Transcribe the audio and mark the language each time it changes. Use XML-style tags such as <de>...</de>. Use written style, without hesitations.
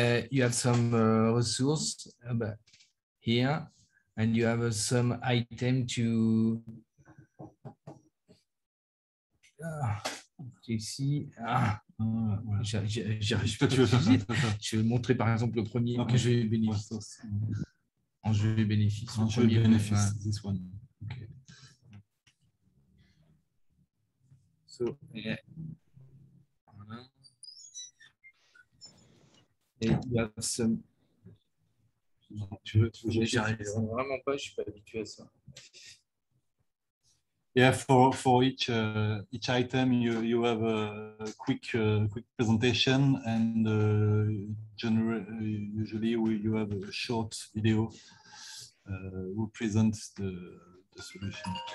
<en>You have some resources here, and you have some item to.</en> <fr>Je vais montrer par exemple le premier en jeu bénéfice. En jeu bénéfice. En jeu bénéfice.</fr> <en>This one. Okay. So. You have some.</en> <fr>Tu veux j'arrive vraiment pas. Je suis pas habitué à ça.</fr> <en>Yeah, for each item, you have a quick presentation, and usually you have a short video who presents the solution.</en>